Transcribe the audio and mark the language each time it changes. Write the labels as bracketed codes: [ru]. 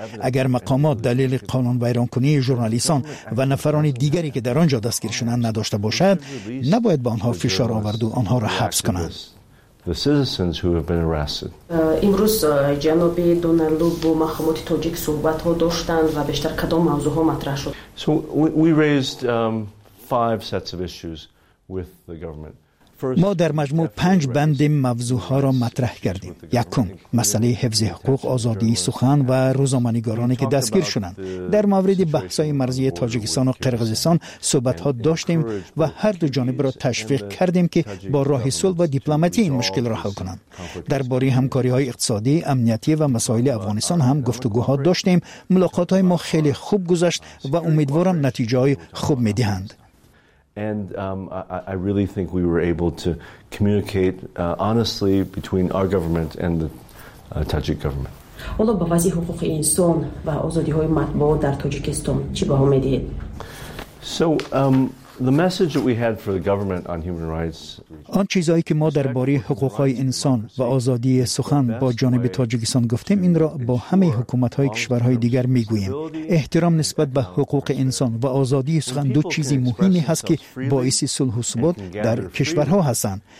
[fa] اگر مقامات دلیل قانون ویران کنی ژورنالیستان و نفران دیگری که در آنجا دستگیر شدند نداشته باشد نباید به آنها فشار آورد و آنها را حبس کنند. [en] The citizens who have been arrested. [fa] امروز جناب دونالدو با مخامات تاجیک صحبت ها داشتند و بیشتر کدام موضوع ها مطرح شد؟ [en] So we raised five sets of issues with the government. [fa] ما در مجموع پنج بند موضوع ها را مطرح کردیم. یکم، مسئله حفظ حقوق آزادی سخن و روزنامه‌نگارانی که دستگیر شدند. در مورد بحث‌های مرزی تاجیکستان و قرقیزستان صحبت ها داشتیم و هر دو جانب را تشویق کردیم که با راه صلح و دیپلماتی این مشکل را حل کنند. درباره همکاری های اقتصادی، امنیتی و مسائل افغانستان هم گفتگوها داشتیم. ملاقات های ما خیلی خوب گذشت و امیدوارم نتیجه های خوب می دهند. [en] And I really think we were able to communicate honestly between our government and the Tajik government. [fa] حالا به وضع حقوق انسان و آزادی‌های مطبوعات در تاجیکستان چه باه می‌دهید؟ [en] The message that we had for the government on human rights. [fa] آن چیزایی که ما درباره حقوق‌های انسان و آزادی سخن با جانب تاجیکستان گفتیم این را با همه حکومت‌های کشورهای دیگر می‌گوییم. احترام نسبت به حقوق انسان و آزادی سخن دو چیزی مهمی هست که باعث صلح و ثبات در کشورها هستند.